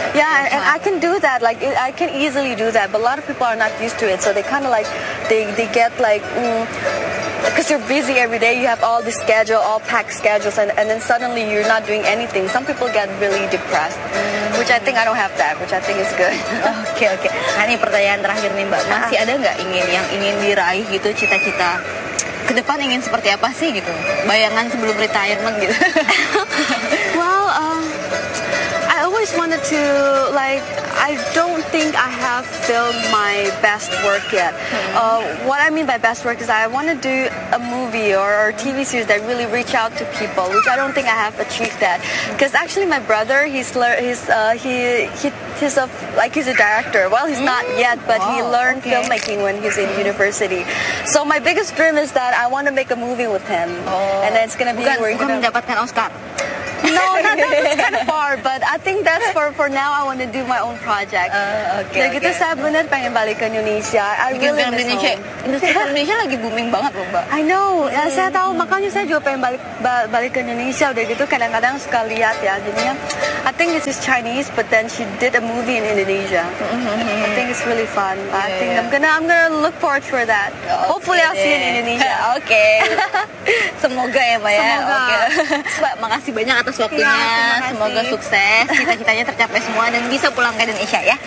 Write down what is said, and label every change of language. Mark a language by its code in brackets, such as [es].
[en] Yeah, and I can do that. Like, I can easily do that. But a lot of people are not used to it. So they kind of, like, they get, like, because you're busy every day, you have all the schedule, all packed schedules, and then suddenly you're not doing anything. Some people get really depressed, which I think I don't have that, which I think is good. Okay, okay. [id] Nah, ini pertanyaan terakhir nih Mbak. Masih ada nggak yang ingin diraih gitu, cita-cita ke depan ingin seperti apa sih gitu? Bayangan sebelum retirement gitu. [en] Well, I always wanted to, like, I don't think I have filmed my best work yet. What I mean by best work is I want to do a movie or TV series that really reach out to people, which I don't think I have achieved that. Because actually my brother, he's a director. Well, he's not yet, but he learned filmmaking when he's in university. So my biggest dream is that I want to make a movie with him. Oh. And then it's going to be [id] mendapatkan Oscar. [en] No, not that far, but I think that's for now. I want to do my own project. Okay. [id] Jadi gitu, saya benar pengen balik ke Indonesia. Indonesia lagi booming banget loh Mbak. [en] I know. [id] Ya, saya tahu. Makanya saya juga pengen balik ke Indonesia. Udah gitu kadang-kadang suka lihat ya. Jadinya, [en] I think this is Chinese, but then she did a movie in Indonesia. I think it's really fun. I think I'm gonna look forward for that. Okay. Hopefully I'll see you in Indonesia. [id] Okay. Semoga ya Mbak. Semoga. [en] Okay. [id] Mbak, makasih banyak atas waktunya. Ya, semoga sukses, cita-citanya tercapai semua dan bisa pulang ke Indonesia ya.